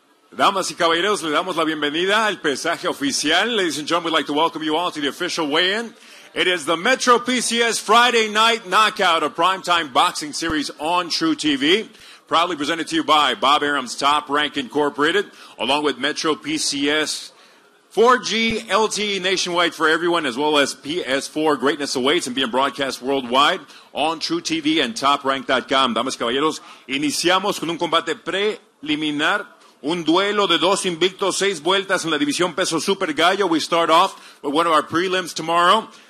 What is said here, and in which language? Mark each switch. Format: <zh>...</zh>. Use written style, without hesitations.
<es>Damas y caballeros, le damos la bienvenida al pesaje oficial.</es> <en>Ladies and gentlemen, we'd like to welcome you all to the official weigh-in. It is the Metro PCS Friday Night Knockout, a primetime boxing series on True TV, proudly presented to you by Bob Arum's Top Rank Incorporated, along with Metro PCS 4G LTE Nationwide for Everyone, as well as PS4 Greatness Awaits and being broadcast worldwide on True TV and TopRank.com.</en> <es>Damas y caballeros, iniciamos con un combate preliminar. Un duelo de dos invictos, seis vueltas en la división peso super gallo.</es> <en>We start off with one of our prelims tomorrow.</en>